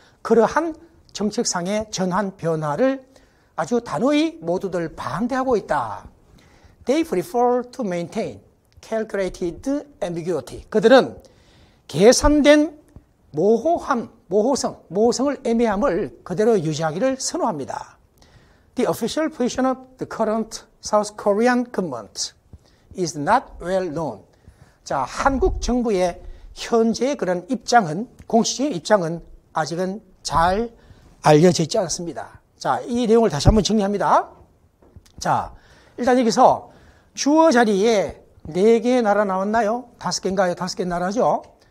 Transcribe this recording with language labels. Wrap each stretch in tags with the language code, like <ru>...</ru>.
<ko>그러한 정책상의 전환 변화를 아주 단호히 모두들 반대하고 있다.</ko> <en>They prefer to maintain calculated ambiguity.</en> <ko>그들은 계산된 모호함, 모호성, 모호성을 애매함을 그대로 유지하기를 선호합니다.</ko> <en>The official position of the current South Korean government is not well known.</en> <ko>자, 한국 정부의 현재의 그런 입장은, 공식적인 입장은 아직은 잘 알려져 있지 않습니다. 자, 이 내용을 다시 한번 정리합니다. 자, 일단 여기서 주어 자리에 네 개의 나라 나왔나요? 다섯 개인가요? 다섯 개 나라죠?</ko>